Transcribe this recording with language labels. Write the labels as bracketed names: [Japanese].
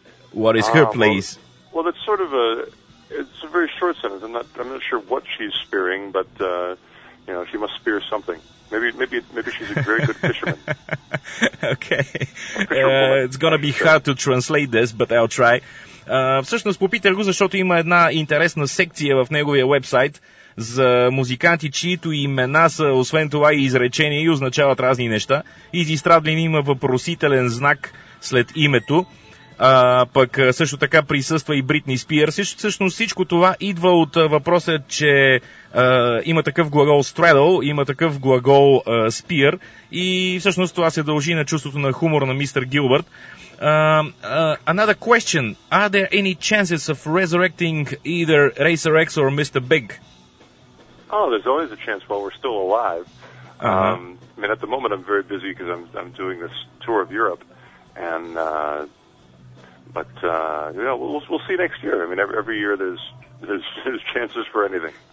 [English] What is her place? Well, that's sort of it's a very short sentence. I'm not sure what she's spearing, but she must spear something. Maybe she's a very good fisherman. Okay. It's going to be hard to translate this, but I'll try. [Bulgarian] Всъщност попитах го, защото има една интересна секция в неговия уебсайт за музиканти, чието имена са, освен това, и изречения и означават разни неща. И за Страдлин има въпросителен знак след името. Пък също така присъства и Бритни Спиърс. Всъщност всичко това идва от въпроса, че има такъв глагол straddle, има такъв глагол spear, и всъщност това се дължи на чувството на хумор на мистер Гилбърт. [English] Another question: are there any chances of resurrecting either Racer X or Mr. Big? Oh, there's always a chance while we're still alive. I mean, at the moment I'm very busy because I'm doing this tour of Europe, and we'll see next year. I mean, every year there's chances for anything.